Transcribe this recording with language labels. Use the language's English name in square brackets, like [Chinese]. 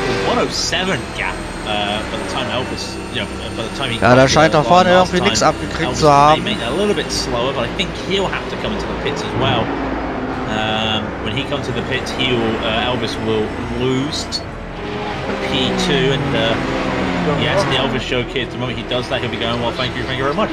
[English] 107 gap by the time Elvis, you know, by the time he. [German] Ja, da scheint doch vorne irgendwie nichts abgekriegt zu haben. [English] A little bit slower, but I think he'll have to come into the pits as well. When he comes to the pits, Elvis will lose P2 and yes, the Elvis show kids. The moment he does that, he'll be going, well, thank you very much.